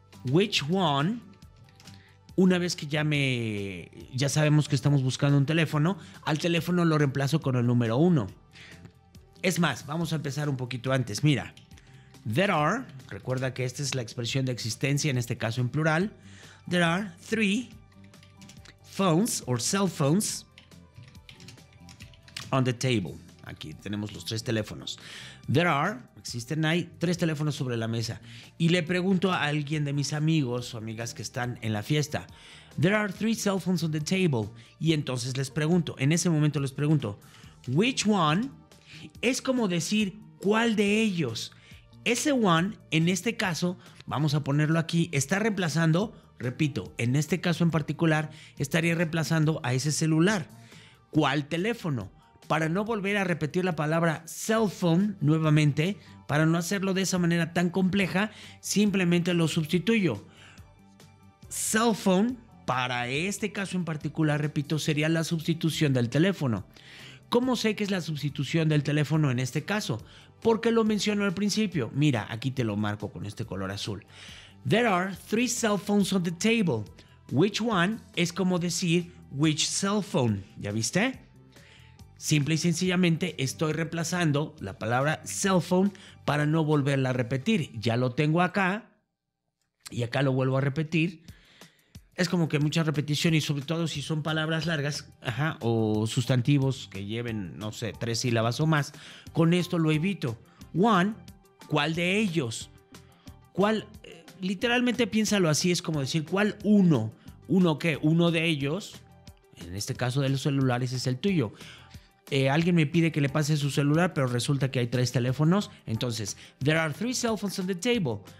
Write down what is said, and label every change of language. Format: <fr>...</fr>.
<en>Which one,</en> <es>una vez que ya sabemos que estamos buscando un teléfono, al teléfono lo reemplazo con el número uno. Es más, vamos a empezar un poquito antes, mira.</es> <en>There are,</en> <es>recuerda que esta es la expresión de existencia, en este caso en plural.</es> <en>There are three phones or cell phones on the table.</en> <es>Aquí tenemos los tres teléfonos.</es> <en>There are,</en> <es>existen ahí, tres teléfonos sobre la mesa. Y le pregunto a alguien de mis amigos o amigas que están en la fiesta.</es> <en>There are three cell phones on the table.</en> <es>Y entonces les pregunto, en ese momento les pregunto,</es> <en>which one,</en> <es>es como decir, ¿cuál de ellos? Ese one, en este caso, vamos a ponerlo aquí, está reemplazando, repito, en este caso en particular, estaría reemplazando a ese celular. ¿Cuál teléfono? Para no volver a repetir la palabra cell phone nuevamente, para no hacerlo de esa manera tan compleja, simplemente lo sustituyo. Cell phone, para este caso en particular, repito, sería la sustitución del teléfono. ¿Cómo sé que es la sustitución del teléfono en este caso? Porque lo menciono al principio. Mira, aquí te lo marco con este color azul.</es> <en>There are three cell phones on the table. Which one</en> <es>es como decir</es> <en>which cell phone.</en> <es>¿Ya viste? Simple y sencillamente estoy reemplazando la palabra cell phone para no volverla a repetir. Ya lo tengo acá y acá lo vuelvo a repetir. Es como que mucha repetición y sobre todo si son palabras largas, ajá, o sustantivos que lleven, no sé, tres sílabas o más. Con esto lo evito. One, ¿cuál de ellos? ¿Cuál? Literalmente piénsalo así, es como decir, ¿cuál uno? ¿Uno qué? Uno de ellos, en este caso de los celulares, es el tuyo. Alguien me pide que le pase su celular, pero resulta que hay tres teléfonos. Entonces,</es> <en>there are three cell phones on the table.</en>